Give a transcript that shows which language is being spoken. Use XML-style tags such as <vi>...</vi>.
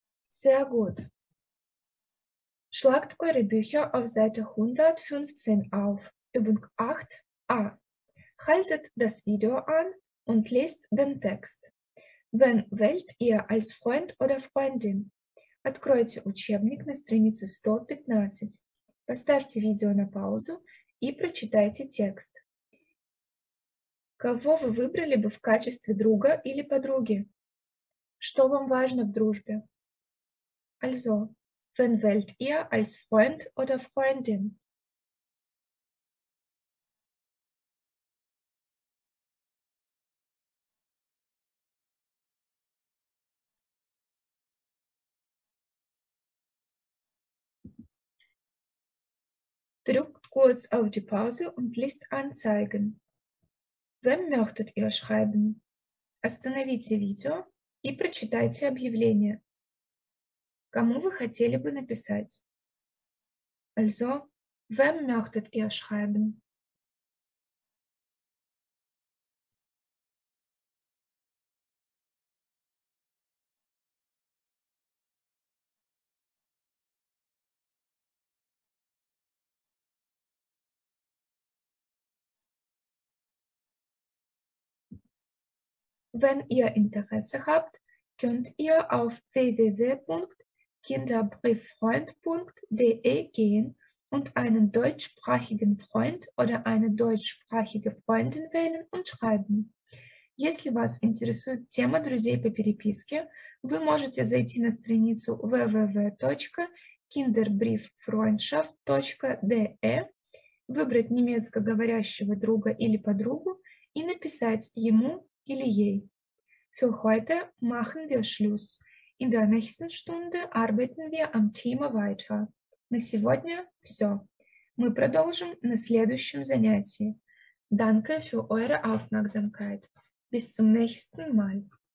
<de>Sehr gut. Schlagt eure Bücher auf Seite 115 auf. Übung 8a. Haltet das Video an und lest den Text. Wen wählt ihr als Freund oder Freundin?</de> <ru>Откройте учебник на странице 115. Поставьте видео на паузу и прочитайте текст. Кого вы выбрали бы в качестве друга или подруги? Что вам важно в дружбе?</ru> <de>Also, wen wählt ihr als Freund oder Freundin? Drückt kurz auf die Pause und liest Anzeigen. Wem möchtet ihr schreiben?</de> <ru>Остановите видео и прочитайте объявление. Кому вы хотели бы написать?</ru> <de>Also, wem möchtet ihr schreiben? Wenn ihr Interesse habt, könnt ihr auf www.kinderbrieffreund.de gehen und einen deutschsprachigen Freund oder eine deutschsprachige Freundin wählen und schreiben.</de> <ru>Если вас интересует тема друзей по переписке, вы можете зайти на страницу www.kinderbrieffreundschaft.de, выбрать немецкоговорящего друга или подругу и написать ему или ей.</ru> <de>Für heute machen wir Schluss. In der nächsten Stunde arbeiten wir am Thema weiter.</de> <ru>На сегодня все. Мы продолжим на следующем занятии.</ru> <de>Danke für eure Aufmerksamkeit. Bis zum nächsten Mal.</de>